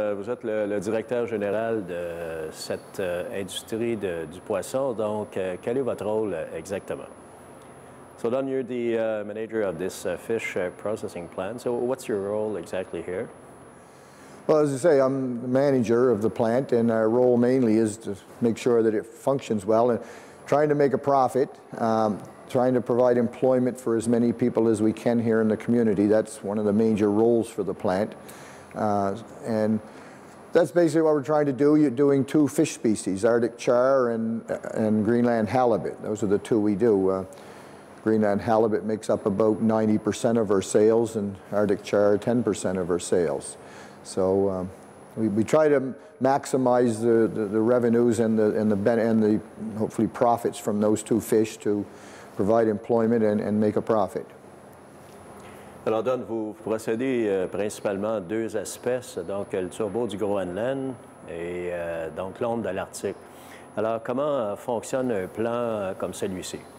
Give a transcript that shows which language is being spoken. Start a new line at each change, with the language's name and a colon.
French: Vous êtes le directeur général de cette industrie du poisson. Donc, quel est votre rôle exactement?
English: So, Don, you're the manager of this fish processing plant. So, what's your role exactly here? Well, as I say, I'm the manager of the plant, and our role mainly is to make sure that it functions well and trying to make a profit, trying to provide employment for as many people as we can here in the community. That's one of the major roles for the plant. And that's basically what we're trying to do. You're doing two fish species, Arctic char and Greenland halibut. Those are the two we do. Greenland halibut makes up about 90% of our sales, and Arctic char 10% of our sales. So we try to maximize the revenues and the hopefully profits from those two fish to provide employment and make a profit.
French: Alors, Don, vous procédez principalement deux espèces, donc le turbot du Groenland et donc l'ombre de l'Arctique. Alors, comment fonctionne un plan comme celui-ci?